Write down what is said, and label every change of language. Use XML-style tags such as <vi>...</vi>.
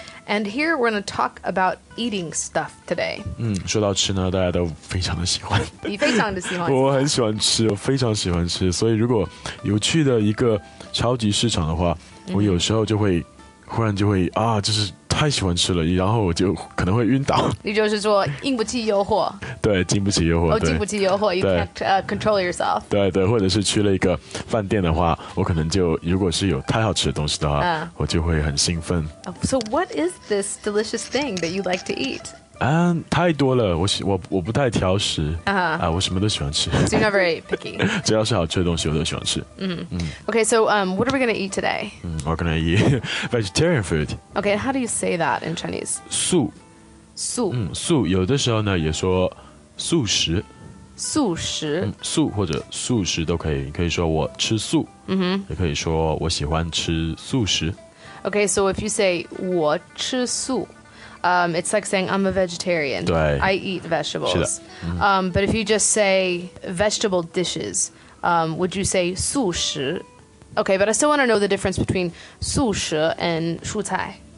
<en>And here we're going to talk about eating stuff today.</en> <zh>说到吃呢，大家都非常的喜欢。你非常的喜欢。我很喜欢吃，我非常喜欢吃。所以如果有趣的一个超级市场的话，我有时候就会忽然就会啊，就是太喜欢吃了，然后我就可能会晕倒。你就是说经不起诱惑。对，经不起诱惑。Oh, 对。</zh> <en>You can't control yourself.</en> <zh>对，或者是去了一个饭店的话，我可能就如果是有太好吃的东西的话， 我就会很兴奋。</zh> <en>So what is this delicious thing that you like to eat?</en> <zh>太多了，我不太挑食。我什么都喜欢吃。</zh> <en>So you're not very picky.</en> <zh>只要是好吃的东西，我都喜欢吃。</zh> <en>Okay, so what are we going to eat today? We're going to eat vegetarian food. Okay, how do you say that in Chinese?</en> <zh>素，有的时候呢也说 素食，素或者素食都可以，可以说我吃素，也可以说我喜欢吃素食。Okay,</zh> <en>so if you say</en> <zh>我吃素,</zh> <en>it's like saying I'm a vegetarian.</en> <zh>对,</zh> <en>I eat vegetables.</en> <zh>是的,</zh> <en>but if you just say vegetable dishes, would you say 素食? Okay, but I still want to know the difference between 素食 and 蔬菜.</en>